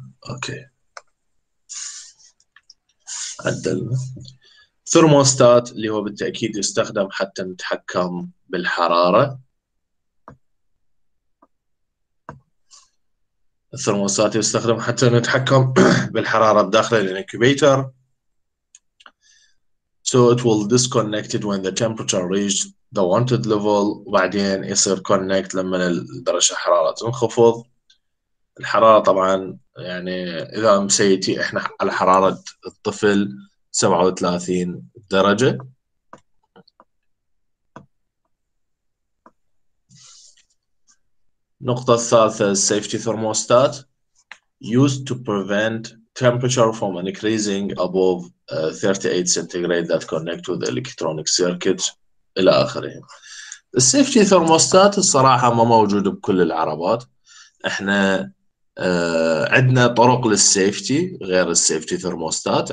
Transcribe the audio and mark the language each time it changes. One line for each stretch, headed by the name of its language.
Arabic: اوكي، عدلنا. ثرموستات اللي هو بالتأكيد يستخدم حتى نتحكم بالحرارة. الثرموستات يستخدم حتى نتحكم بالحرارة بداخل الانكوبيتر.
English: So it will disconnect it when the temperature reached the wanted level،
Arabic: وبعدين يصير
English: connect
Arabic: لما درجة الحرارة تنخفض. الحرارة طبعا يعني إذا مسيتي إحنا على حرارة الطفل 37 درجة.
English: النقطة الثالثة، safety thermostat used to prevent temperature from increasing above 38 centigrade that connect to the electronic circuit
Arabic: إلى آخره. السيفتي ثرموستات الصراحة ما موجود بكل العربات. إحنا عندنا طرق للسيفتي غير السيفتي ثرموستات.